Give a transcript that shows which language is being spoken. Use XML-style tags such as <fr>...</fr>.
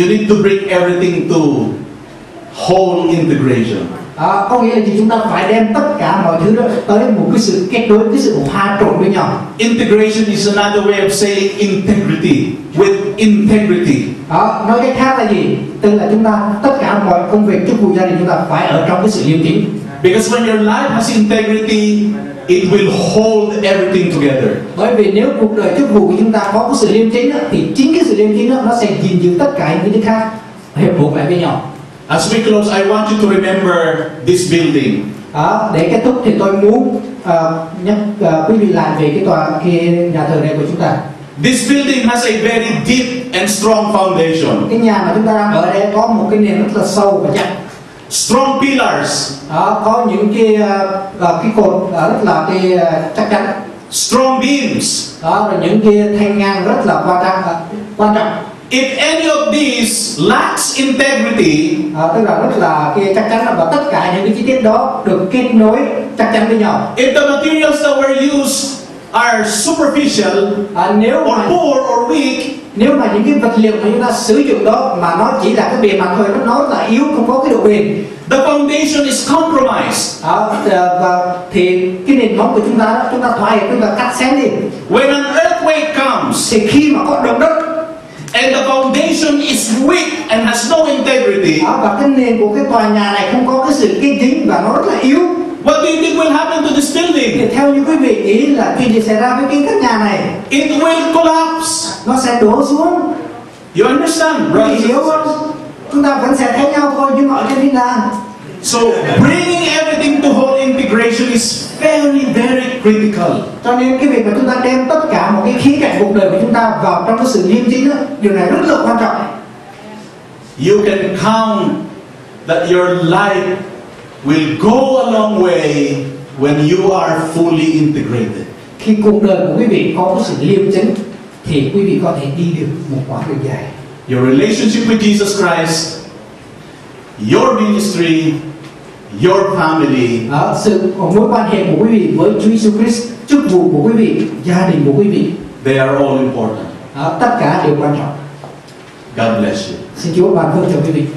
<en>You need to bring everything to whole integration.</en> <vi>Có nghĩa là gì? Chúng ta phải đem tất cả mọi thứ đó tới một cái sự kết nối, cái sự hòa trộn với nhau.</vi> <en>Integration is another way of saying integrity. With integrity.</en> <vi>Nói cách khác là gì? Tức là chúng ta tất cả mọi công việc chức vụ gia đình chúng ta phải ở trong cái sự liêm chính.</vi> <en>Because when your life has integrity, it will hold everything together.</en> <vi>Bởi vì nếu cuộc đời chức vụ của chúng ta có cái sự liêm chính đó, thì chính cái sự liêm chính đó nó sẽ gìn giữ tất cả những thứ khác hiệp hòa với nhau.</vi> <en>As we close, I want you to remember this building.</en> <vi>Để kết thúc thì tôi muốn quý vị lại về cái nhà thờ này của chúng ta.</vi> <en>This building has a very deep and strong foundation.</en> <vi>Cái nhà mà chúng ta đang ở đây có một cái nền rất là sâu và chắc.</vi> <en>Strong pillars.</en> <vi>Có những cái cột rất là chắc chắn.</vi> <en>Strong beams.</en> <vi>Và những cái thanh ngang rất là quan trọng.</vi> <en>If any of these lacks integrity,</en> <vi>tức là rất là chắc chắn và tất cả những cái chi tiết đó được kết nối chắc chắn với nhau.</vi> <en>If the materials that were used are superficial, or poor or weak,</en> <vi>nếu mà những cái vật liệu mà chúng ta sử dụng đó mà nó chỉ là cái bề mặt thôi, nó là yếu, không có cái độ bền.</vi> <en>The foundation is compromised.</en> <vi>Và thì cái nền móng của chúng ta thoái, chúng ta cắt xén đi.</vi> <en>When an earthquake comes,</en> <vi>thì khi mà có động đất,</vi> <en>and the foundation is weak and has no integrity.</en> <vi>Và cái nền của cái tòa nhà này không có cái sự kiên cứng và nó rất là yếu.</vi> <en>What do you think will happen to this building?</en> <vi>Thì theo như quý vị nghĩ là chuyện gì xảy ra với cái căn nhà này?</vi> <en>It will collapse.</en> <vi>Nó sẽ đổ xuống.</vi> <en>You understand, brothers?</en> <vi>Hiểu không? Chúng ta vẫn sẽ thấy nhau thôi, nhưng mà ở trên thiên đàng.</vi> <en>So bringing everything to whole integration is very, very critical.</en> <vi>Cho nên cái việc mà chúng ta đem tất cả một cái khía cạnh cuộc đời của chúng ta vào trong cái sự liêm chính, điều này rất là quan trọng.</vi> <en>You can count that your life will go a long way when you are fully integrated.</en> <vi>Khi cuộc đời của quý vị có cái sự liêm chính, thì quý vị có thể đi được một quãng đường dài.</vi> <en>Your relationship with Jesus Christ, your ministry, your family.</en> <vi>Sự mối quan hệ của quý vị với Chúa Jesus Christ, chức vụ của quý vị, gia đình của quý vị.</vi> <en>They are all important.</en> <vi>Tất cả đều quan trọng.</vi> <en>God bless you.</en> <vi>Xin Chúa ban phước cho quý vị.</vi>